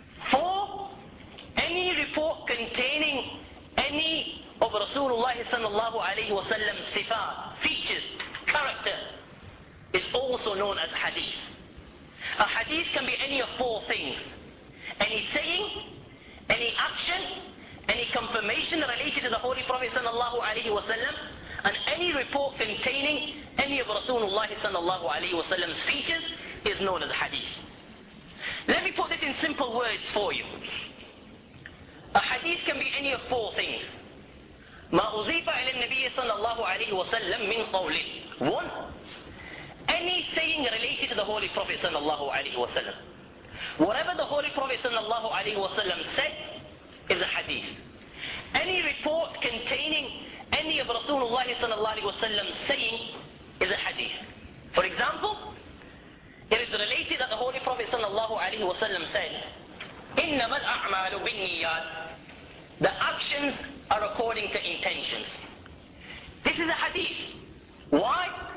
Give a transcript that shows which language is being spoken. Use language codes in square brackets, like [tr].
[en] four any report containing any of Rasulullah صلى الله عليه وسلم sifat features character is also known as hadith a hadith can be any of four things any saying any action any confirmation related to the Holy Prophet sallallahu alayhi wa sallam and any report containing any of Rasulullah sallallahu alayhi wa sallam's features is known as a hadith. Let me put it in simple words for you. A hadith can be any of four things. [ar] ما أضيف إلى النبي sallallahu alayhi wa sallam من قوله. [en] One, any saying related to the Holy Prophet sallallahu alayhi wa sallam. Whatever the Holy Prophet sallallahu alayhi wa sallam said, is a hadith. Any report containing any of Rasulullah sallallahu alayhi wa sallam saying is a hadith. For example, it is related that the Holy Prophet sallallahu alayhi wa sallam said, [ar] إِنَّمَا الْأَعْمَالُ بِالنِّيَّاتِ [en] The actions are according to intentions. This is a hadith. Why?